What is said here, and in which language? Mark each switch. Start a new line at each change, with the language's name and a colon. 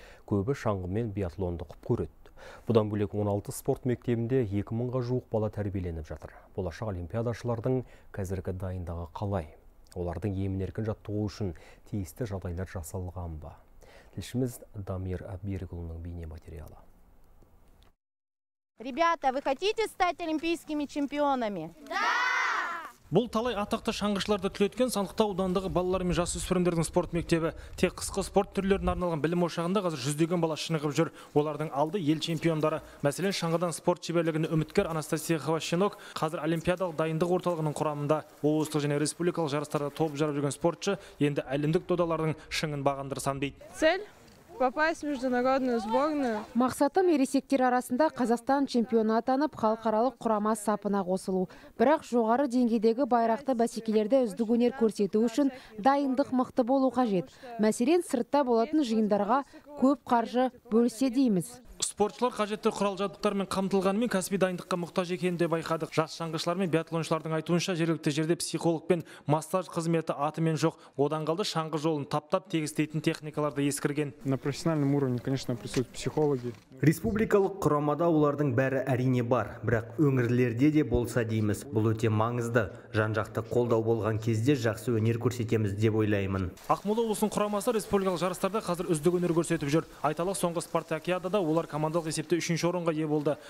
Kazakh: Көбі шаңғымен биатлонды құп көреді. Бұдан бөлек 16 спорт мектебінде 2 мыңға жуық бала тәрбиеленіп жатыр. Болашақ олимпиадашылардың қазіргі дайындығы қалай? Олардың емін-еркін жаттығу үшін тиісті жағдайлар жасалған ба? Тілшіміз Дамир Берікұлының бейне материалы.
Russian: Ребята, вы хотите стать олимпийскими чемпионами? Да!
Kazakh: Бұл талай атақты шаңғышыларды түлеткен Санықтау аудандығы балалар мен жасөспірімдердің спорт мектебі. Тек қысқы спорт түрлеріне арналған білім ошағында қазір жүздеген бала шынығып жүр. Олардың алды ел чемпиондары. Мәселен, шаңғыдан спорт шеберлігіне үміткер Анастасия Хавашинок қазір олимпиадалық дайындық орталығының құрамында. Облыстық және республикалық жарыстарда топ жарып жүрген спортшы енді әлемдік додалардың шыңын бағындырсам дейді.
Russian: Цель попасть в международную сборную.
Kazakh: Мақсатым ересектер арасында Қазақстан чемпионы атанып, халықаралық құрама сапына қосылу. Бірақ жоғары деңгейдегі байрақты бәсекелерде үздік өнер көрсету үшін дайындық мықты болу қажет. Мәселен, сыртта болатын жиындарға көп қаржы бөлсе дейміз. Спортшылар қажетті құрал-жабдықтармен қамтылғанымен кәсіби дайындыққа мұқтаж екенін де байқадық. Жас шаңғышылар мен биатлоншылардың айтуынша жергілікті жерде психолог пен массаж қызметі атымен жоқ. Одан қалды шаңғы жолын таптап тегістейтін техникаларды ескірген.
Russian: На профессиональном уровне, конечно, присутствуют психологи.
Kazakh: Республикалық құрамада олардың бәрі әрине бар, бірақ өңірлерде де болса дейміз. Бұл өте маңызды. Жан-жақты қолдау болған кезде жақсы өнер көрсетеміз деп ойлаймын. Ақмола облысының құрамасы республикалық жарыстарда қазір үздік өнер көрсетіп жүр. Айталық, соңғы спартакиадада олар командалық есепте 3-ші орынға ие болды.